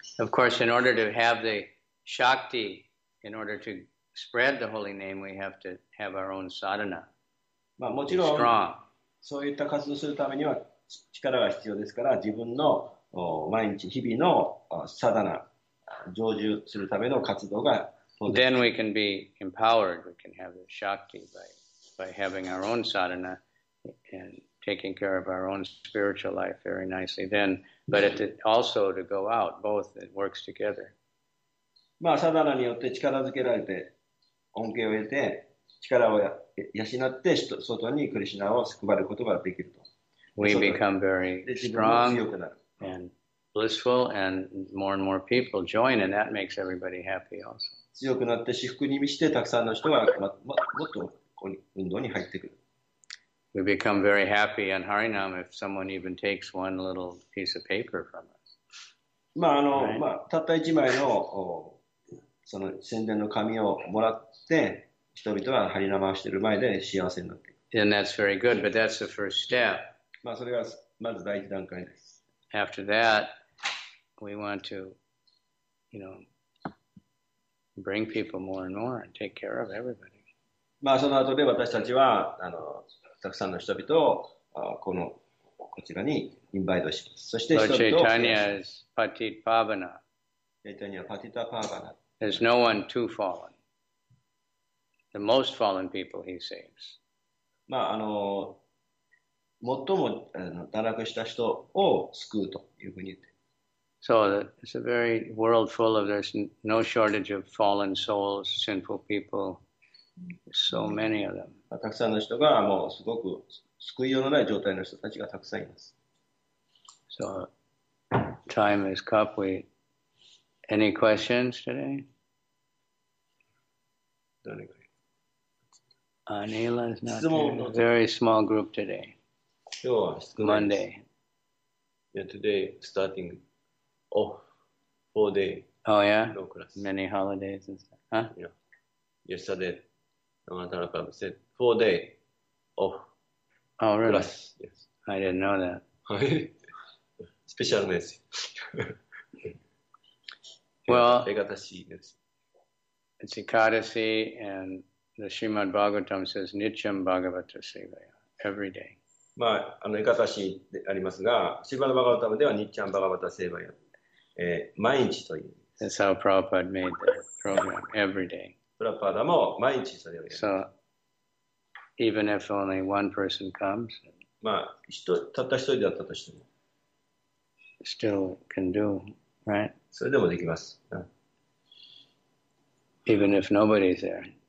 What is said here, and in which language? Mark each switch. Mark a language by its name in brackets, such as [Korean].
[English] Of course, in order to have the Shakti, in order to spread the holy name, we have to have our own sadhana. [Japanese] まあもちろん、 [English] strong. [Japanese] そういった活動するためには力が必要ですから、自分の毎日日々のsadhana、成就するための活動が。 [English] Then we can be empowered. We can have the shakti by having our own sadhana and taking care of our own spiritual life very nicely. Then, but also to go out, both it works together. [Japanese] まあ、サダナによって力づけられて、恩恵を得て、力を養って、外にクリシナを救われることができると。 [English] We become very strong and blissful, and more and more people join, and that makes everybody happy also. [Japanese] 強くなって、至福に満ちて、たくさんの人がもっとこう運動に入ってくる。 [English] We become very happy on Harinam if someone even takes one little piece of paper from us. [Japanese] まあ、まあ、たった一枚の、その宣伝の紙をもらって人々が張り名前をしている前で幸せになっている [English] 。And that's very good, but that's the first step. [Japanese] まあそれがまず第一段階です。 [English] After that, we want to, you know, bring people more and more and take care of everybody. [Japanese] まあその後で私たちはたくさんの人々をこちらにインバイトします。そして人々を。 [English] Lord Chaitanya is Patit Pavana. Chaitanya Patita Pavana. There's no one too fallen. The most fallen people he saves. [Japanese] まあ最も堕落した人を救うというふうに言って。 [English] So it's a very world full of there's no shortage of fallen souls, sinful people, so many of them. [Japanese] たくさんの人がもうすごく救いようのない状態の人たちがたくさんいます。 [English] So time is up. Any questions today? Anila is not here. Very small group today. Monday. Yeah, today starting off 4 days. Oh, yeah? Many holidays and stuff. Huh? Yeah. yesterday, Ramatara Prabhu said, 4 days off. Oh, really? Class. Yes. I didn't know that. Special message. Well, Ekadashi, yes. It's Ekadashi, and the Srimad Bhagavatam says, Nityam Bhagavata Sevaya, every day. [Japanese] まあ、あの、エカタシでありますが、シバナバガバタムではニッチャンバガバタセーバヤ、毎日という。 [English] That's how Prabhupada made the program every day. [Japanese] プラパダも毎日それをやる。 [English] So, even if only one person comes, [Japanese] まあ、たった一人だったとしても。 [English] Still can do, right? [Japanese] それでもできます。 [English] Even if nobody's there.